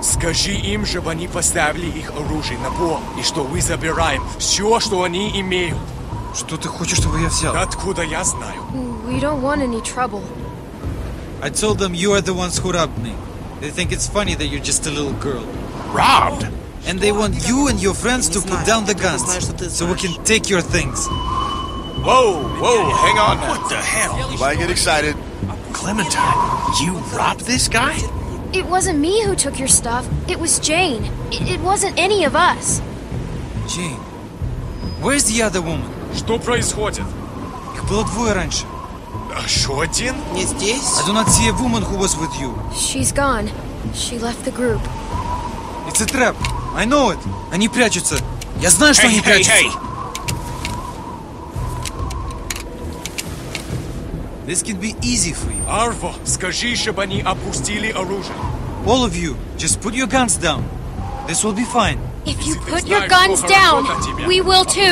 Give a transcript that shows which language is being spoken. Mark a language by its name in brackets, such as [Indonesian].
[Russian] Скажи им, чтобы они поставили их оружие на пол, и что мы забираем все, что они имеют. Что ты хочешь, чтобы я взял? Откуда я знаю? [English] We don't want any trouble. I told them you are the ones who robbed me. They think it's funny that you're just a little girl. Robbed? And they want you and your friends to put down the guns, so we can take your things. Whoa, hang on. What the hell? Why get excited? Clementine, you robbed this guy? It wasn't me who took your stuff. It was Jane. It wasn't any of us. Jane, where's the other woman? [Russian] Что происходит? Их было двое раньше. Еще один? Не здесь. [English] I do not see a woman who was with you. She's gone. She left the group. It's a trap. I know it. [Russian] Они прячутся. Я знаю, что они прячутся. [English] Hey. This can be easy for you. [Russian] Арво, скажи, чтобы они опустили оружие. [English] All of you, just put your guns down. This will be fine. If you put your guns down, we will too.